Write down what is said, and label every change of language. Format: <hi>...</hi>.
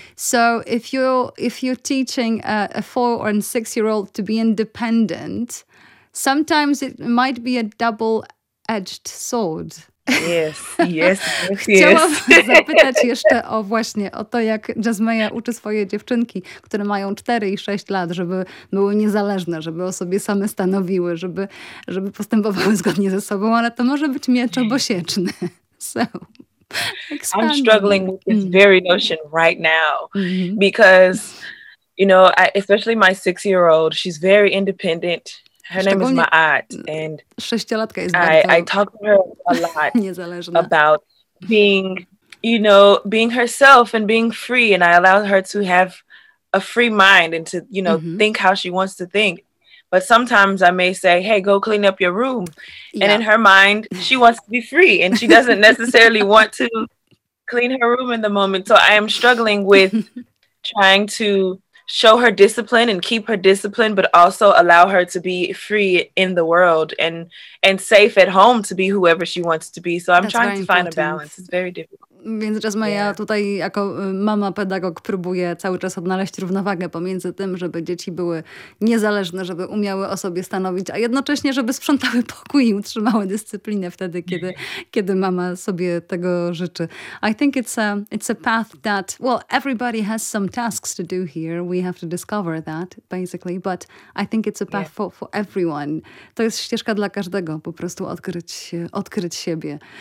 <en>So if you're teaching a 4 and 6 year old to be independent, sometimes it might be a double-edged sword. Yes, yes, yes.</en> <pl>Chciałam zapytać jeszcze o właśnie o to, jak Jazzmeja uczy swoje dziewczynki, które mają 4 i 6 lat, żeby były niezależne, żeby o sobie same stanowiły, żeby postępowały zgodnie ze sobą, ale to może być miecz obosieczny.</pl> <en>So, I'm struggling with this very notion right now, mm-hmm. because, you know, especially my 6-year-old, she's very independent. Her name is Ma'at, and I talk to her a lot about being, you know, being herself and being free, and I allow her to have a free mind and to, you know, mm-hmm. think how she wants to think. But sometimes I may say, hey, go clean up your room. Yeah. And in her mind, she wants to be free, and she doesn't necessarily want to clean her room in the moment. So I am struggling with trying to show her discipline and keep her discipline, but also allow her to be free in the world and safe at home to be whoever she wants to be. So I'm trying to find a balance. It's very difficult.</en> <pl>Więc Jazzmeja tutaj jako mama pedagog próbuje cały czas odnaleźć równowagę pomiędzy tym, żeby dzieci były niezależne, żeby umiały o sobie stanowić, a jednocześnie, żeby sprzątały pokój i utrzymały dyscyplinę wtedy, kiedy mama sobie tego życzy.</pl> <en>I think it's a path that, well, everybody has some tasks to do here. We have to discover that, basically, but I think it's a path for everyone.</en> <pl>To jest ścieżka dla każdego, po prostu odkryć siebie.</pl>